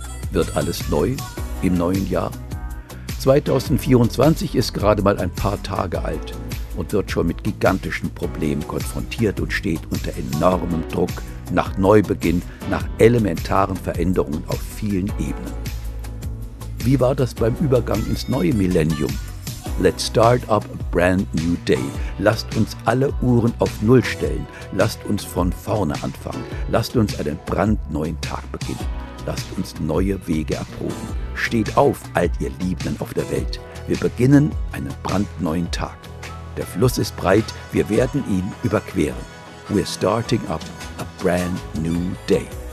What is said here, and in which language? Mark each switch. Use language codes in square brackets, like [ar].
[de] Wird alles neu im neuen Jahr? 2024 ist gerade mal ein paar Tage alt und wird schon mit gigantischen Problemen konfrontiert und steht unter enormem Druck nach Neubeginn, nach elementaren Veränderungen auf vielen Ebenen. Wie war das beim Übergang ins neue Millennium? [en] Let's start up a brand new day. [de] Lasst uns alle Uhren auf Null stellen. Lasst uns von vorne anfangen. Lasst uns einen brandneuen Tag beginnen. Lasst uns neue Wege erproben. Steht auf, all ihr Liebenden auf der Welt. Wir beginnen einen brandneuen Tag. Der Fluss ist breit, wir werden ihn überqueren. [en] We're starting up a brand new day.